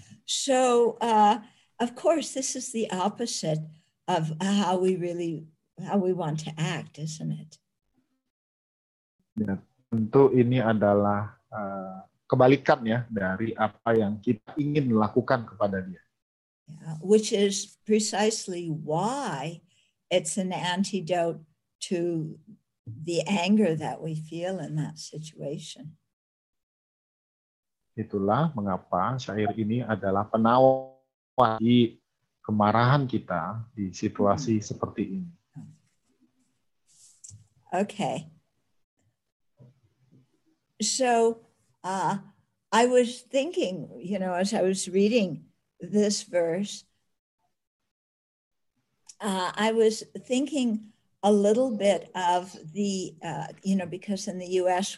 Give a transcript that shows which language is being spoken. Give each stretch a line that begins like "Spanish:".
English: So, of course, this is the opposite of how we want to act, isn't it?
Indonesian: Ya, tentu ini adalah kebalikan ya dari apa yang kita ingin lakukan kepada dia.
English: Yeah, which is precisely why it's an antidote to the anger that we feel in that situation.
Indonesian: Itulah mengapa syair ini adalah penawar di kemarahan kita di situasi seperti ini.
English: Okay. So, I was thinking, you know, as I was reading this verse, I was thinking a little bit of the, you know, because in the U.S.